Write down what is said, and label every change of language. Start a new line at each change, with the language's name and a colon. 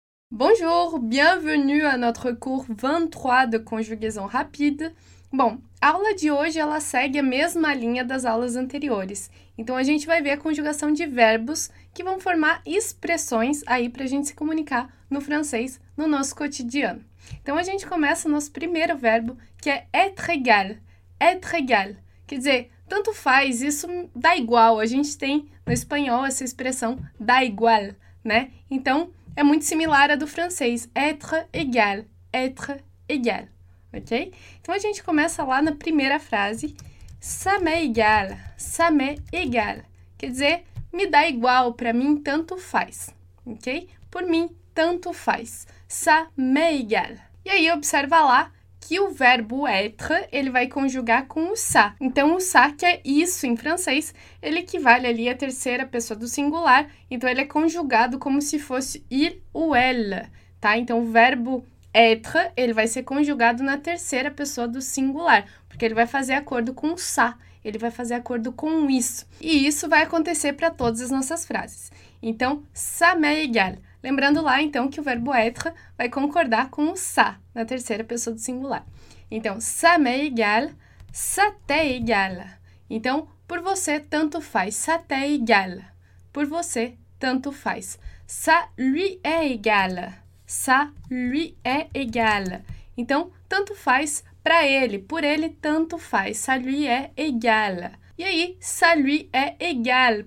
French: Bonjour, bienvenue à notre cours 23 de conjugaison rápida.
Portuguese: Bom, a aula de hoje ela segue a mesma linha das aulas anteriores. Então a gente vai ver a conjugação de verbos que vão formar expressões aí para a gente se comunicar no francês no nosso cotidiano. Então a gente começa o nosso primeiro verbo, que é être égal. Quer dizer, tanto faz, isso dá igual. A gente tem no espanhol essa expressão dá igual, né? Então é muito similar à do francês, être égal, ok? Então a gente começa lá na primeira frase,
French: ça m'est égal,
Portuguese: quer dizer, me dá igual, para mim tanto faz, ok? Por mim tanto faz,
French: ça m'est égal.
Portuguese: E aí observa lá que o verbo être ele vai conjugar com o ça. Então o ça, que é isso em francês, ele equivale ali à terceira pessoa do singular. Então ele é conjugado como se fosse il ou elle, tá? Então o verbo être ele vai ser conjugado na terceira pessoa do singular, porque ele vai fazer acordo com o ça. Ele vai fazer acordo com isso. E isso vai acontecer para todas as nossas frases. Então
French: ça m'est égal.
Portuguese: Lembrando lá, então, que o verbo être vai concordar com o ça na terceira pessoa do singular.
French: Então, ça m'est égal, ça t'est égal.
Portuguese: Então, por você, tanto faz.
French: Ça t'est égal.
Portuguese: Por você, tanto faz.
French: Ça lui est égal. Ça lui est égal.
Portuguese: Então, tanto faz para ele. Por ele, tanto faz.
French: Ça lui est égal. E aí, ça lui est égal.